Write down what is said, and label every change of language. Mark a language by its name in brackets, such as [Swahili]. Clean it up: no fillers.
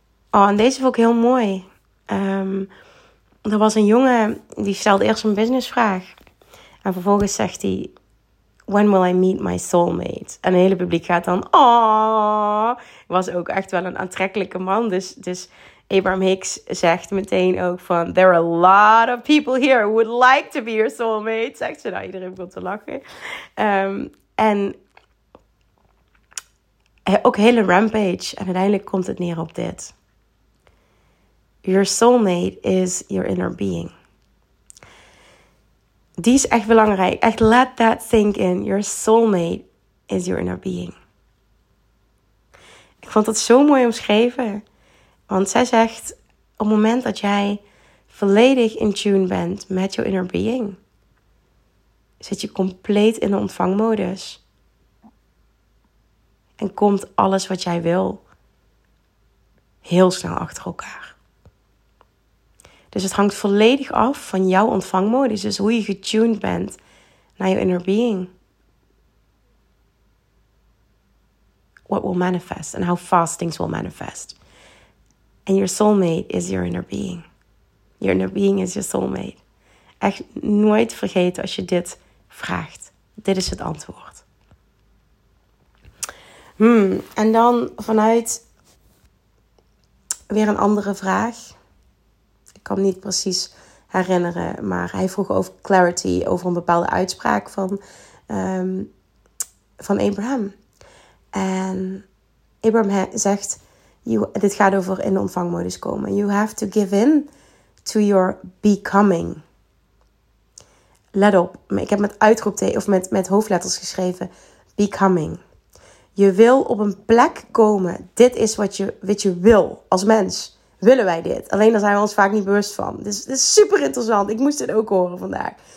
[Dutch] Oh, en deze vond ik heel mooi. Er was een jongen die stelde eerst een businessvraag. En vervolgens zegt hij, [English] when will I meet my soulmate? [Dutch] En het hele publiek gaat dan, oh, was ook echt wel een aantrekkelijke man. Dus Abraham Hicks zegt meteen ook van, [English] there are a lot of people here who would like to be your soulmate. [Dutch] Zegt ze, nou, iedereen begon te lachen. En ook hele rampage. En uiteindelijk komt het neer op dit. [English] Your soulmate is your inner being. [Dutch] Die is echt belangrijk. Echt, [English] let that sink in. Your soulmate is your inner being. [Dutch] Ik vond dat zo mooi omschreven. Want zij zegt, op het moment dat jij volledig in tune bent met [English] your inner being, [Dutch] zit je compleet in de ontvangmodus. En komt alles wat jij wil heel snel achter elkaar. Dus het hangt volledig af van jouw ontvangmodus. Dus hoe je getuned bent naar je inner being. [English] What will manifest and how fast things will manifest. And your soulmate is your inner being. Your inner being is your soulmate. [Dutch] Echt nooit vergeten als je dit vraagt. Dit is het antwoord. En dan vanuit weer een andere vraag. Ik kan me niet precies herinneren, maar hij vroeg over clarity, over een bepaalde uitspraak van Abraham. En Abraham zegt, dit gaat over in ontvangmodus komen. [English] You have to give in to your becoming. [Dutch] Let op, ik heb met uitroepteken of met hoofdletters geschreven, becoming. Je wil op een plek komen, dit is wat je wil als mens. Willen wij dit? Alleen daar zijn we ons vaak niet bewust van. Dus dit is super interessant. Ik moest dit ook horen vandaag.